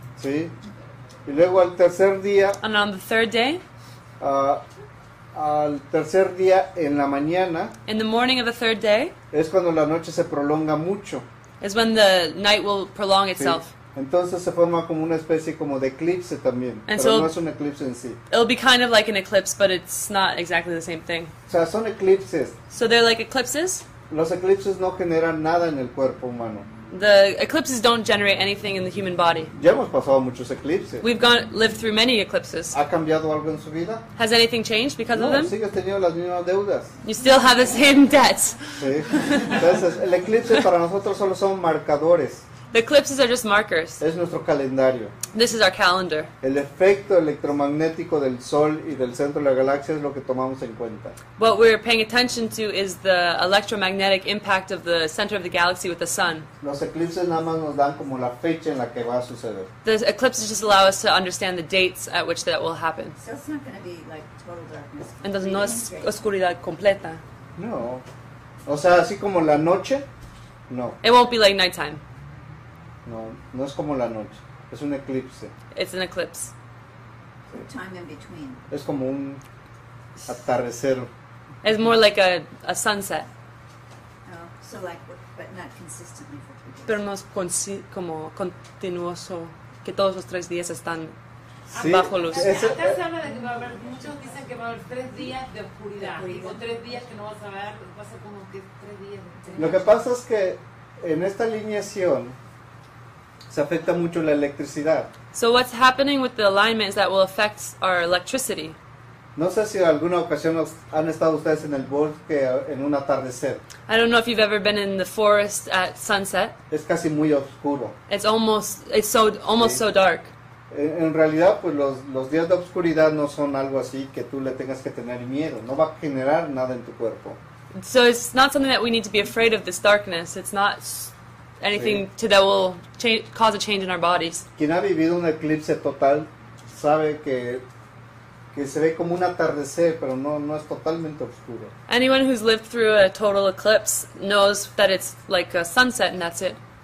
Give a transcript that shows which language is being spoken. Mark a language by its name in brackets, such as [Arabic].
[Spanish] Sí. Y luego al tercer día. [English] And on the third day. [Spanish] Al tercer día en la mañana. [English] In the morning of the third day. [Spanish] Es cuando la noche se prolonga mucho. [English] Is when the night will prolong itself. [Spanish] Sí. Entonces se forma como una especie como de eclipse también, [English] and [Spanish] pero [English] so [Spanish] no es un eclipse en sí. [English] It'll be kind of like an eclipse, but it's not exactly the same thing. [Spanish] O sea, son eclipses. [English] So they're like eclipses. [Spanish] Los eclipses no generan nada en el cuerpo humano. [English] The eclipses don't generate anything in the human body. [Spanish] Ya hemos pasado muchos eclipses. [English] We've gone lived through many eclipses. [Spanish] ¿Ha cambiado algo en su vida? [English] Has anything changed because [Spanish] no, [English] of them? [Spanish] No, sigues teniendo las mismas deudas. [English] You still have the same debts. [Spanish] Sí. Entonces, el eclipse para nosotros solo son marcadores. [English] The eclipses are just markers. [Spanish] Es nuestro calendario. [English] This is our calendar. [Spanish] El efecto electromagnético del sol y del centro de la galaxia es lo que tomamos en cuenta. [English] What we're paying attention to is the electromagnetic impact of the center of the galaxy with the sun. [Spanish] Los eclipses nada más nos dan como la fecha en la que va a suceder. [English] The eclipses just allow us to understand the dates at which that will happen. So it's not going to be like total darkness. [Spanish] Entonces no es oscuridad completa. No. O sea, así como la noche, no. [English] It won't be like nighttime. [Spanish] No, no es como la noche. Es un eclipse. [English] It's an eclipse. So time in between. [Spanish] Es como un atardecer. [English] It's more like a sunset. Oh, so like, but not consistently for 3 days. [Spanish] Pero no es como continuoso, que todos los 3 días están sí, bajo luz. Antes se habla de que va a haber, muchos dicen que va a haber 3 días de oscuridad. Digo, 3 días que no vas a ver, pasa como que 3 días. Lo que pasa es que en esta alineación se afecta mucho la electricidad. [English] So what's happening with the alignment is that will affect our electricity. [Spanish] No sé si alguna ocasión han estado ustedes en el bosque en un atardecer. [English] I don't know if you've ever been in the forest at sunset. [Spanish] Es casi muy oscuro. [English] It's almost so dark. [Spanish] En realidad, pues los días de oscuridad no son algo así que tú le tengas que tener miedo. No va a generar nada en tu cuerpo. [English] So it's not something that we need to be afraid of, this darkness. It's not anything sí. to that will cause a change in our bodies. [Spanish] Quien ha vivido un eclipse total sabe que se ve como un atardecer, pero no es totalmente oscuro. [English] Anyone who's lived through a total eclipse knows that it's like a sunset and that's it.